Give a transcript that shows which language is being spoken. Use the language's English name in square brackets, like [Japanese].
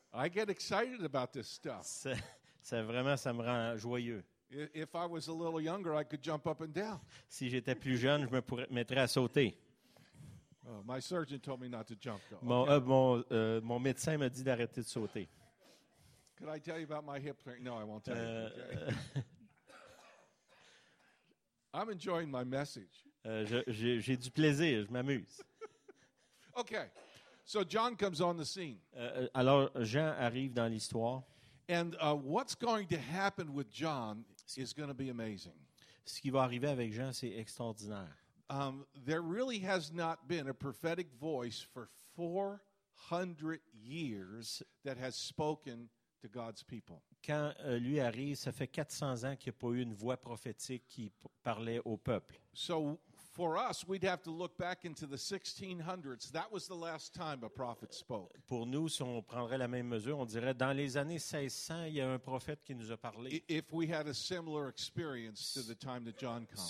[English] I get excited about this stuff. [French] C'est vraiment, ça me rend joyeux. [English] If I was a little younger, I could jump up and down. [French] Si j'étais plus jeune, je me mettrais à sauter. [English] My surgeon told me not to jump. Okay. [French] Mon médecin m'a dit d'arrêter de sauter. [English] Could I tell you about my hip? No, I won't tell you. Okay. I'm enjoying my message. [French] J'ai du plaisir, je m'amuse. [English] Okay. So John comes on the scene. [French] Alors Jean arrive dans l'histoire. [English] And what's going to happen with John is going to be amazing. [French] Ce qui va arriver avec Jean, c'est extraordinaire. [English] There really has not been a prophetic voice for 400 years that has spoken to God's people. [French] Quand lui arrive, ça fait 400 ans qu'il n'y a pas eu une voix prophétique qui parlait au peuple. [English] So for us, we'd have to look back into the 1600s. That was the last time a prophet spoke. [French] Pour nous, si on prendrait la même mesure, on dirait dans les années 1600, il y a un prophète qui nous a parlé. [English] If we had a similar experience to the time that John comes.